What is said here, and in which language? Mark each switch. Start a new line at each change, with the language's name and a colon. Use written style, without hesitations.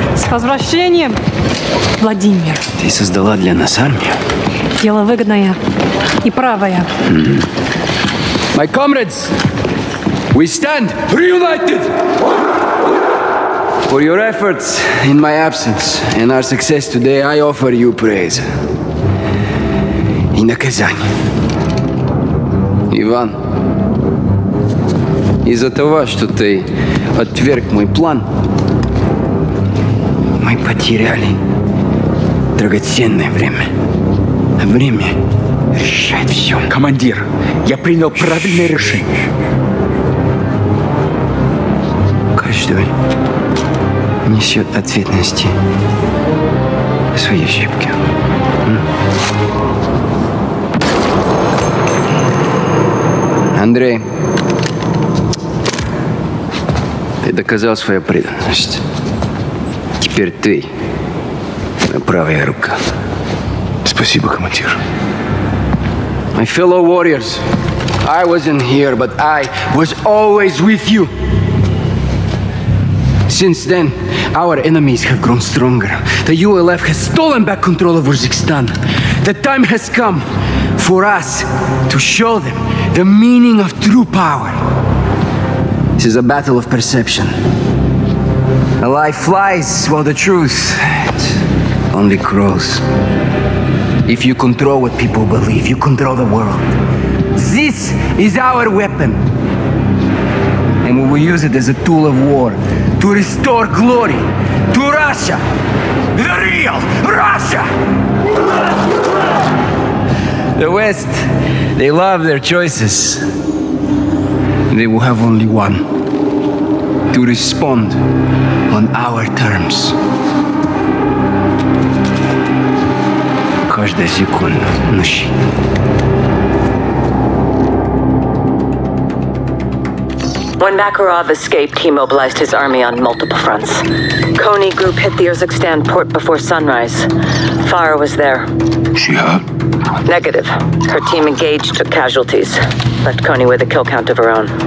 Russian: возвращением, Владимир. Ты создала для нас армию? Дело выгодное и правое.
English: My comrades, we stand reunited for your efforts in my absence and our success today. I offer you praise.
Russian: И наказание. Иван, из-за того, что ты отверг мой план, мы потеряли драгоценное время. Время решает все. Командир, я принял правильное решение. Каждый несет ответственность за свои ошибки. Андрей, ты доказал свою преданность. Теперь ты моя правая рука. Спасибо, командир.
English: My fellow warriors, I wasn't here, but I was always with you. Since then, our enemies have grown stronger. The ULF has stolen back control of Urzikstan. The time has come for us to show them the meaning of true power. This is a battle of perception. A lie flies while the truth only crawls. If you control what people believe, you control the world. This is our weapon. And we will use it as a tool of war to restore glory to Russia, the real Russia. The West, they love their choices. They will have only one, to respond on our terms.
Russian: Каждая секунда на счету.
English: When Makarov escaped, he mobilized his army on multiple fronts. Konni group hit the Urzikstan port before sunrise. Fire was there. She hurt? Negative. Her team engaged, took casualties. Left Konni with a kill count of her own.